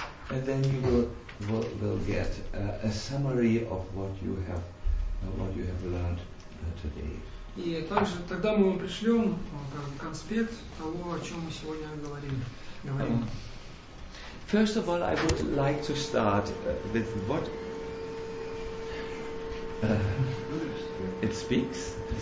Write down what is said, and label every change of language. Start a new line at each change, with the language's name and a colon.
English: And then you will get a summary of what you have learned today.
Russian: И также тогда мы вам пришлем конспект того, о чем мы сегодня говорили.
English: First of all, I would like to start with what it speaks.